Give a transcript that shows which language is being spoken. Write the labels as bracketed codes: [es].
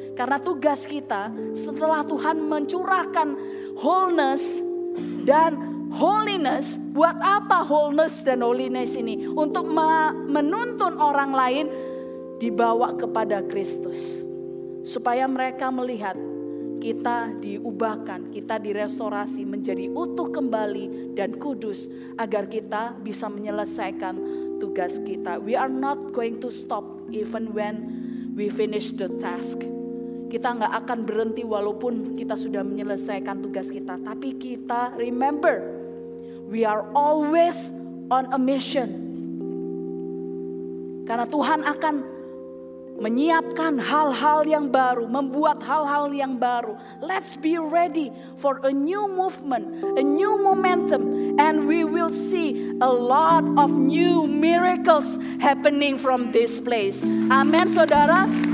[id] Karena tugas kita setelah Tuhan mencurahkan wholeness dan holiness, buat apa wholeness dan holiness ini? Untuk menuntun orang lain dibawa kepada Kristus. Supaya mereka melihat kita diubahkan, kita direstorasi menjadi utuh kembali dan kudus. Agar kita bisa menyelesaikan tugas kita. [en] We are not going to stop even when we finish the task. [id] Kita gak akan berhenti walaupun kita sudah menyelesaikan tugas kita. Tapi kita [en] remember, we are always on a mission. [id] Karena Tuhan akan menyiapkan hal-hal yang baru, membuat hal-hal yang baru. [en] Let's be ready for a new movement, a new momentum, and we will see a lot of new miracles happening from this place. Amen, [id] saudara.